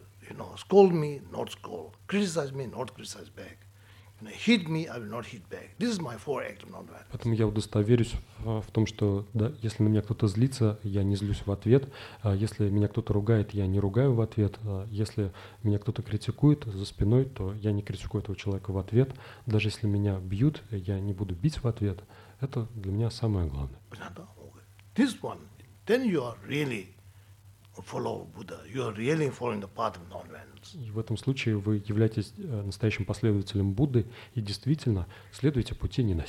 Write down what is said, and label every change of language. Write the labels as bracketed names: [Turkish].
[English] You know, scold me, not scold. Criticize me, not criticize back. Hit me, I will not hit back. This is my four act of non-violence. [Russian] Поэтому я удостоверюсь в том, что да, если на меня кто-то злится, я не злюсь в ответ. Если меня кто-то ругает, я не ругаю в ответ. Если меня кто-то критикует за спиной, то я не критикую этого человека в ответ. Даже если меня бьют, я не буду бить в ответ. Это для меня самое главное. [English] This one, then you are really follow Buddha. You are really following the path of non-violence. [Russian] И в этом случае вы являетесь настоящим последователем Будды и действительно следуете пути